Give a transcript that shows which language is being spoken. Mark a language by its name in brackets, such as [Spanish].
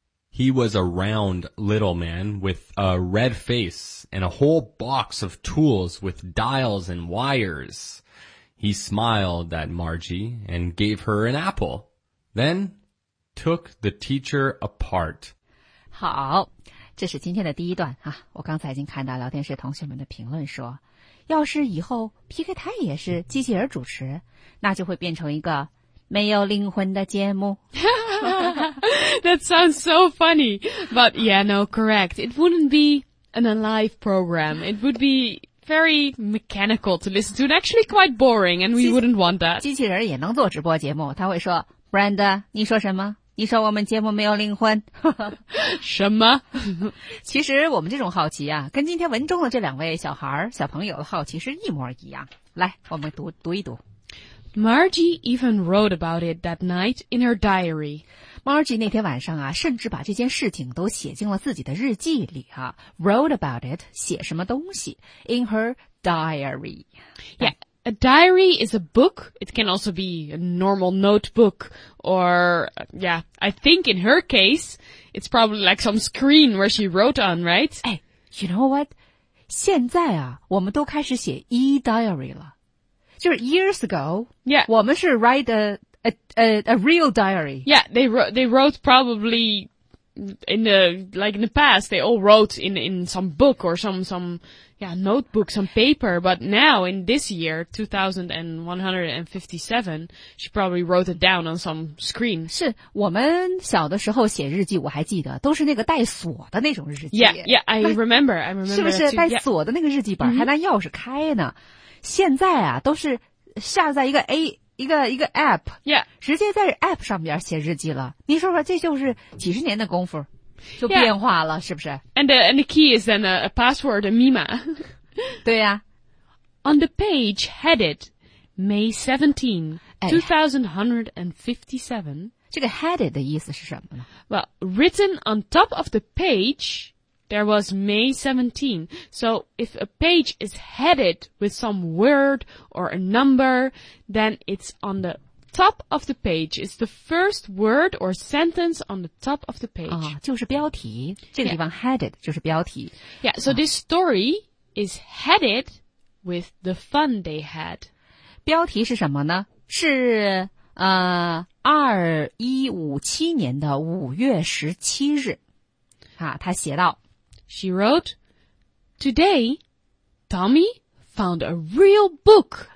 [English] He was a round little man with a red face and a whole box of tools with dials and wires. He smiled at Margie and gave her an apple, then took the teacher apart. [Chinese] 好，这是今天的第一段啊。我刚才已经看到聊天室同学们的评论说，要是以后 PK 台也是机器人主持，那就会变成一个没有灵魂的节目。 [English] That sounds so funny. But yeah, no, correct. It wouldn't be an alive program. It would be very mechanical to listen to and actually quite boring, and we wouldn't want that. [Chinese] 机器人也能做直播节目，他会说 Brenda, 你说什么？你说我们节目没有灵魂。什么？其实我们这种好奇啊，跟今天文中的这两位小孩小朋友的好奇是一模一样。来，我们读一读。 [English] Margie even wrote about it that night in her diary. [Chinese] Margie 那天晚上啊，甚至把这件事情都写进了自己的日记里啊。 [English] Wrote about it, 写什么东西 ?In her diary. Yeah, A diary is a book. It can also be a normal notebook or, yeah, I think in her case, it's probably like some screen where she wrote on, right? Hey, you know what? [Chinese] 现在啊，我们都开始写 e-diary 了。 [English] 就是 years ago, yeah, 我们是 write a real diary. Yeah, they wrote probably in the past, they all wrote in some book or some notebook, some paper. But now in this year, 2157, she probably wrote it down on some screen. [Chinese] 是我们小的时候写日记，我还记得都是那个带锁的那种日记。 [English] Yeah, I remember. [Chinese] 是不是带锁的那个日记本还拿钥匙开呢？ Mm-hmm. 现在啊，都是下载一个 app， [English] yeah， [Chinese] 直接在 app 上边写日记了。你说说，这就是几十年的功夫，就变化了， [English] yeah， [Chinese] 是不是 [English] ？And the key is then a password, a 密码。 [Chinese] 对呀、 [English] 啊。On the page headed May 17, 2157， [Chinese] 这个 headed 的意思是什么呢 [English] ？Well, written on top of the page, there was May 17. So if a page is headed with some word or a number, then it's on the top of the page. It's the first word or sentence on the top of the page. [Chinese] 就是标题，这个地方 headed 就是标题。 [English] Yeah, so this story is headed with the fun they had. [Chinese] 标题是什么呢？是2157年的5月17日。他写到。 [English] She wrote, "Today, Tommy found a real book."